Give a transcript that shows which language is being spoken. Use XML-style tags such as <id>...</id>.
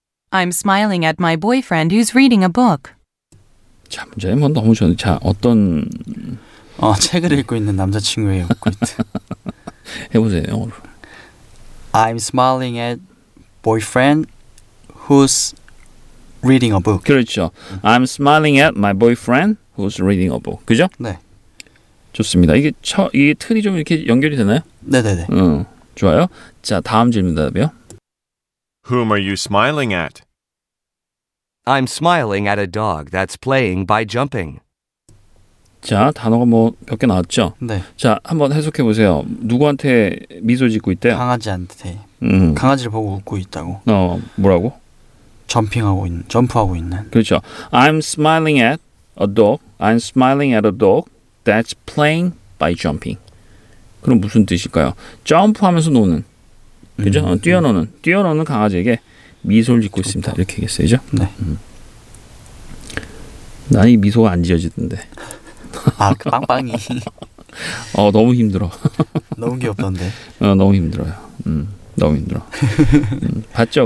<en>I'm smiling at my boyfriend who's reading a book.</en> <ko>자, 문제는 뭐 너무 좋네. 자, 어떤... 책을 읽고 있는 남자친구의 웃고 있다. 해보세요, 영어로.</ko> <en>I'm smiling at boyfriend who's reading a book.</en> <ko>그렇죠.</ko> <en>I'm smiling at my boyfriend who's reading a book.</en> <ko>그죠? 네. 좋습니다. 이게 틀이 좀 이렇게 연결이 되나요? 네네네. 좋아요. 자, 다음 질문 답이요.</ko> <en>Whom are you smiling at? I'm smiling at a dog that's playing by jumping.</en> <ko>자, 단어가 뭐 몇 개 나왔죠? 네. 자, 한번 해석해 보세요. 누구한테 미소 짓고 있대요? 강아지한테. 강아지를 보고 웃고 있다고. 뭐라고? 점프하고 있는. 그렇죠.</ko> <en>I'm smiling at a dog. I'm smiling at a dog that's playing by jumping.</en> <ko>그럼 무슨 뜻일까요? 점프하면서 노는. 그죠? 뛰어노는. 뛰어노는 강아지에게 미소를 짓고 좋다. 있습니다. 이렇게 얘기했어요. 네. 난 이 미소가 안 지어지던데. 아, 그 빵빵이. 너무 힘들어. 너무 귀엽던데. 너무 힘들어요. 너무 힘들어. 봤죠?</ko>